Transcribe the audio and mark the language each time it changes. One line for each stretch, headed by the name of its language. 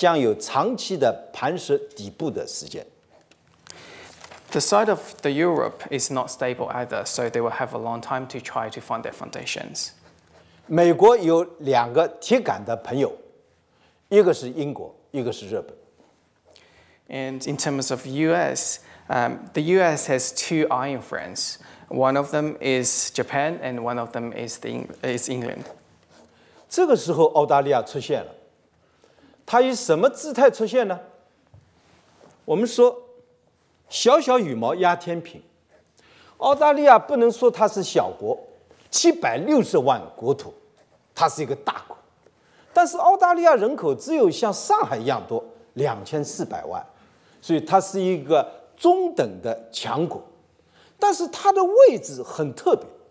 Chinese: 欧盟这条边也不稳定，它自身的问题很多，它还将有长期的磐石底部的时间。
English: The side of the Europe is not stable either, so they will have a long time to try to find their foundations.
Chinese: 美国有两个铁杆的朋友，一个是英国，一个是日本。
English: And in terms of US, the US has two iron friends. One of them is Japan, and one of them is England.
Chinese: 这个时候澳大利亚出现了，它以什么姿态出现呢？我们说。小小羽毛压天平，澳大利亚不能说它是小国，760万国土，它是一个大国。但是澳大利亚人口只有像上海一样多，2400万，所以它是一个中等的强国。但是它的位置很特别，